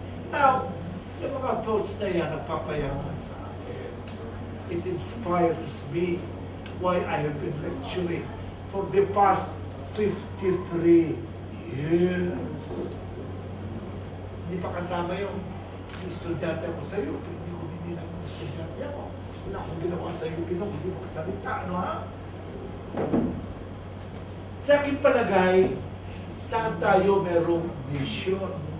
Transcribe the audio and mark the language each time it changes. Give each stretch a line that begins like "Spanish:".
Filipino: Now, yung mga thoughts na yan napapayaman sa akin.
English: It inspires me why I have been lecturing for the past 53 years.
Filipino: Hindi pa kasama yung estudyante ko sa UP. Hindi ko binilang estudyante ako. Wala akong ginawa sa UP na hindi magsalita, ano ha? Sa aking palagay, lahat tayo merong mission.